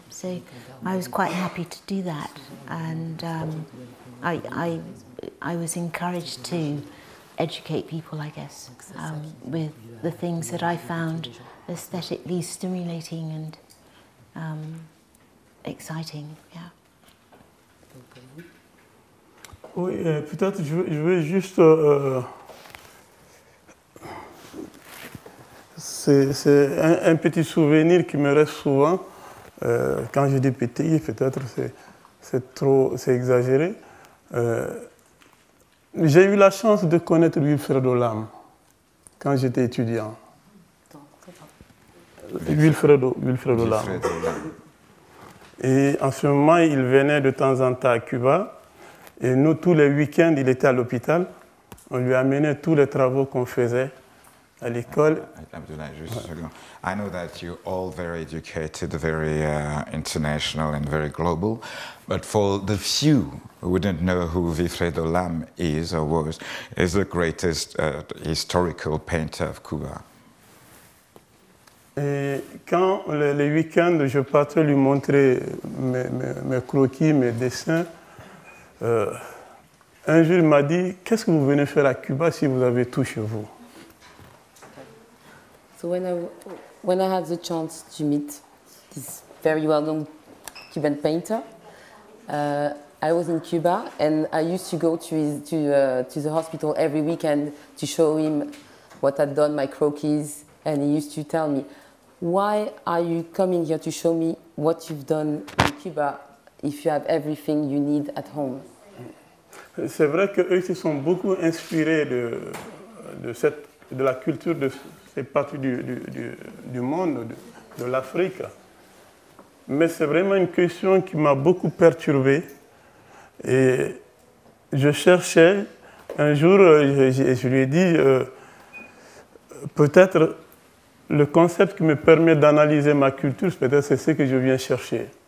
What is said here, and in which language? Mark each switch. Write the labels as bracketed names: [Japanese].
[English] So I was quite happy to do that, and I was encouraged to educate people, I guess, with the things that I found aesthetically stimulating and exciting. Yeah. [French] Oui, peut-être je veux juste c'est un petit souvenir qui me reste souvent quand je dis petit, peut-être c'est exagéré. J'ai eu la chance de connaître Wilfredo Lam quand j'étais étudiant. Wilfredo Lam. Et en ce moment, il venait de temps en temps à Cuba. Et nous, tous les week-ends, il était à l'hôpital. On lui amenait tous les travaux qu'on faisait à l'école. Abdoulaye, juste un second. [English] I know that you're all very educated, very international and very global. But for the few who wouldn't know who Wilfredo Lam is or was, is the greatest historical painter of Cuba. [French] Et quand le week-end, je partais lui montrer mes croquis, mes dessins, un jour, il m'a dit, qu'est-ce que vous venez faire à Cuba si vous avez tout chez vous? [English] So when I had the chance to meet this very well-known Cuban painter, I was in Cuba, and I used to go to the hospital every weekend to show him what I'd done, my croquis, and he used to tell me, why are you coming here to show me what you've done in Cuba if you have everything you need at home? [French] C'est vrai que eux se sont beaucoup inspirés de la culture de ces parties du monde, de l'Afrique. Mais c'est vraiment une question qui m'a beaucoup perturbé. Et je cherchais, un jour, je lui ai dit, peut-être le concept qui me permet d'analyser ma culture, peut-être c'est ce que je viens chercher.